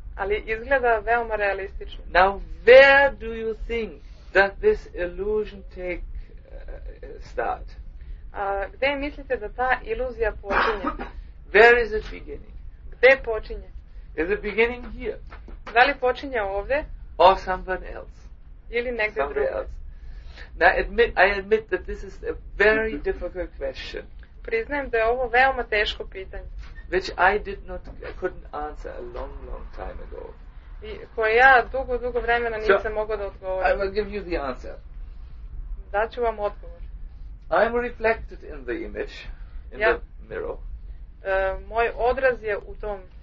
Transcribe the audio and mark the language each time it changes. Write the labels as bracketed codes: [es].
[sr] Ali izgleda veoma realistično. [en] Now, where do you think that this illusion take start? [sr] Gde mislite da ta iluzija počinje? [en] Where is it beginning? [sr] Gde počinje? [en] Is it beginning here? [sr] Da li počinje ovde? [en] Or somewhere else? [sr] Ili negde [en] somewhere [sr] drugo? [en] Else. Now, I admit that this is a very difficult question. [sr] Priznajem da je ovo veoma teško pitanje. [en] Which I couldn't answer a long, long time ago. [sr] I koje ja dugo, dugo vremena nisam mogao da odgovorim. [en] I will give you the answer. [sr] Daću vam odgovor. [en] I'm reflected in the image, in the mirror. [sr] Moj odraz je u tom